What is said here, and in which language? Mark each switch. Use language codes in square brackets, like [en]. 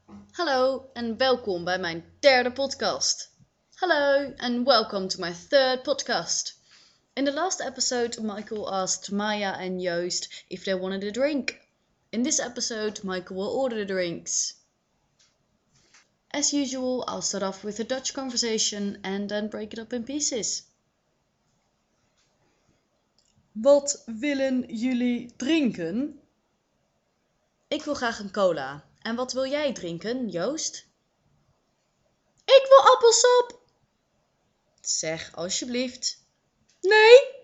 [nl] Hallo en welkom bij mijn derde podcast. Hallo en [en] welcome to my third podcast. In the last episode, Michael asked Maya and Joost if they wanted a drink. In this episode, Michael will order the drinks. As usual, I'll start off with a Dutch conversation and then break it up in pieces. [nl] Wat willen jullie drinken? Ik wil graag een cola. En wat wil jij drinken, Joost? Ik wil appelsap. Zeg alsjeblieft. Nee.